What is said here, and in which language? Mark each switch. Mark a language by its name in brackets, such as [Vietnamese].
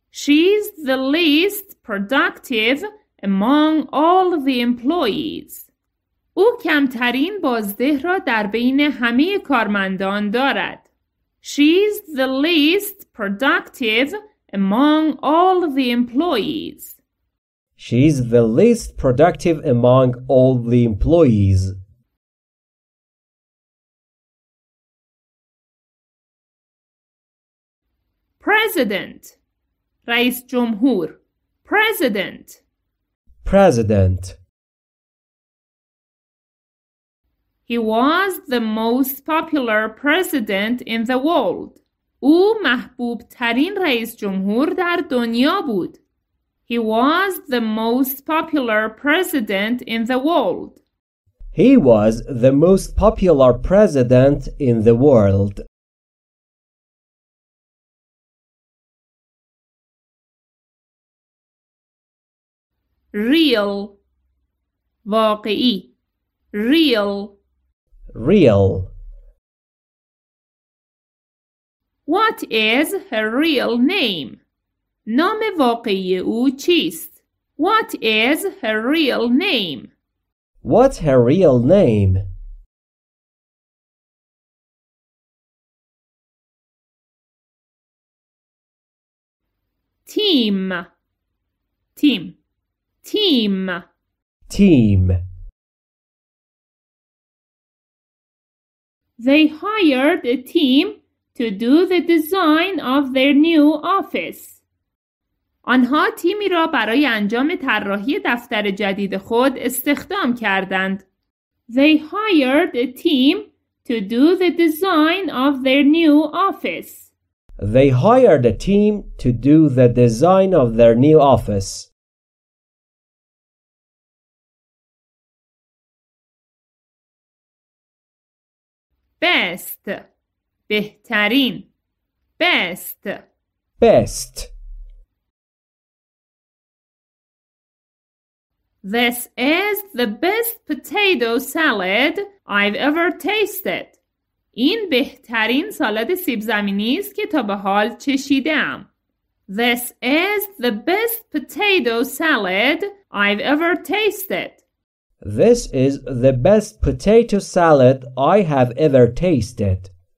[English] She's the least productive among all the employees. [Persian] او کمترین بازده را در بین همه کارمندان دارد. [English] She's the least productive among all the employees. She's the least productive among all the employees. President. رئیس جمهور. President. President. He was the most popular president in the world. [Persian] او محبوب ترین رئیس جمهور در دنیا بود. [English] He was the most popular president in the world. He was the most popular president in the world. Real. واقعی. Real. Real. What is her real name? [Persian] نام واقعی او چیست؟ [English] What is her real name? What's her real name? Team. Team. Team. Team. They hired a team to do the design of their new office. [Persian] آنها تیمی را برای انجام طراحی دفتر جدید خود استخدام کردند. [English] They hired a team to do the design of their new office. They hired a team to do the design of their new office. Best. بهترین. Best. Best. This is the best potato salad I've ever tasted. [Persian] این بهترین سالاد سیب زمینی است که تا به حال چشیدم. [English] This is the best potato salad I've ever tasted. This is the best potato salad I have ever tasted.